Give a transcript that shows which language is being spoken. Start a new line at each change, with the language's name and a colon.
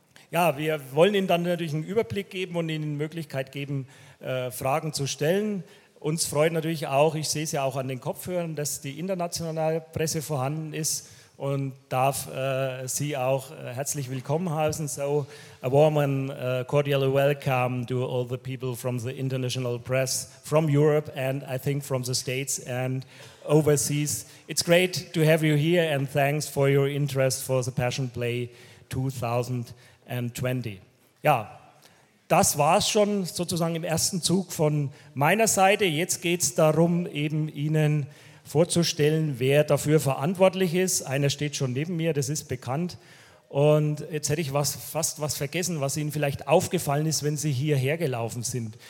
German: Ja, wir wollen Ihnen dann natürlich einen Überblick geben und Ihnen die Möglichkeit geben, Fragen zu stellen. Uns freut natürlich auch, ich sehe es ja auch an den Kopfhörern, dass die internationale Presse vorhanden ist und darf Sie auch herzlich willkommen heißen.
English: So, a warm and cordial welcome to all the people from the international press, from Europe and I think from the States and overseas. It's great to have you here and thanks for your interest for the Passion Play 2020.
German: Ja. Das war es schon sozusagen im ersten Zug von meiner Seite. Jetzt geht es darum, eben Ihnen vorzustellen, wer dafür verantwortlich ist. Einer steht schon neben mir, das ist bekannt. Und jetzt hätte ich fast was vergessen, was Ihnen vielleicht aufgefallen ist, wenn Sie hierher gelaufen sind.